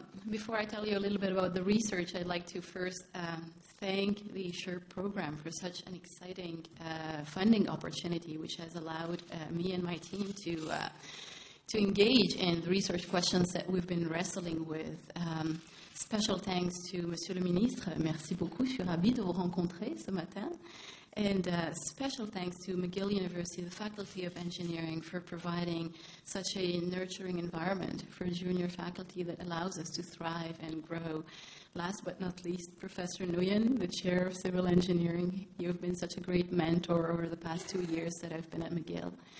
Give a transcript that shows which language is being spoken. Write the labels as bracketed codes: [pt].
[en] Before I tell you a little bit about the research, I'd like to first thank the SHRP program for such an exciting funding opportunity, which has allowed me and my team to engage in the research questions that we've been wrestling with. Special thanks to Monsieur le Ministre. [fr] Merci beaucoup. Je suis ravie de vous rencontrer ce matin. [en] And special thanks to McGill University, the Faculty of Engineering, for providing such a nurturing environment for junior faculty that allows us to thrive and grow. Last but not least, Professor Nguyen, the Chair of Civil Engineering. You've been such a great mentor over the past 2 years that I've been at McGill.